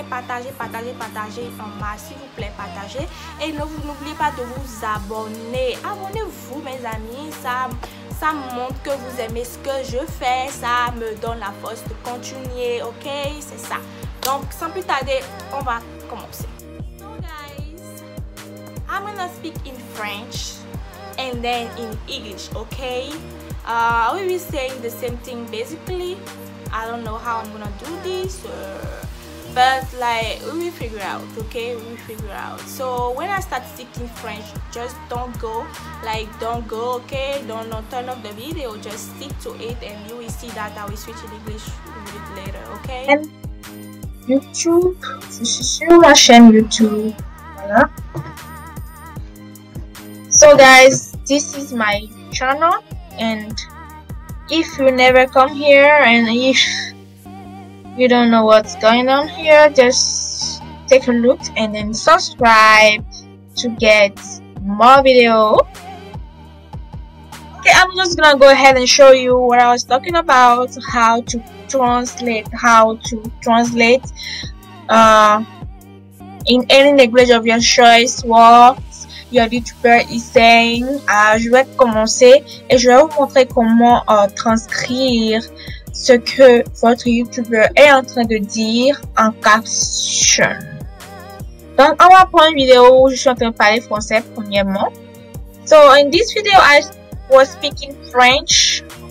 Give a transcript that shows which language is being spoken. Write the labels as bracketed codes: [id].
[fr] Partagez en masse, s'il vous plaît, partagez. Et n'oubliez pas de vous abonner. Abonnez-vous, mes amis, ça montre que vous aimez ce que je fais, ça me donne la force de continuer, ok? C'est ça. Donc, sans plus tarder, on va commencer. [en] So guys, I'm gonna speak in French and then in English, ok? I will be saying the same thing basically. I don't know how I'm gonna do this, but like, we will figure out, ok? We will figure out. So, when I start speaking French, just don't go, like, don't go, ok? Don't turn off the video, just stick to it and you will see that I will switch in English a bit later, ok? [fr] YouTube, je suis sur la chaîne YouTube, voilà. [en] So guys, this is my channel and if you never come here and if you don't know what's going on here, just take a look and then subscribe to get more video. Okay, I'm just gonna go ahead and show you what I was talking about, how to translate in any language of your choice what your YouTuber is saying. [fr] Je vais commencer et je vais vous montrer comment transcrire ce que votre YouTuber est en train de dire en caption. Donc, on va prendre une vidéo où je suis en train de parler français premièrement. [en] So, in this video, I was speaking French.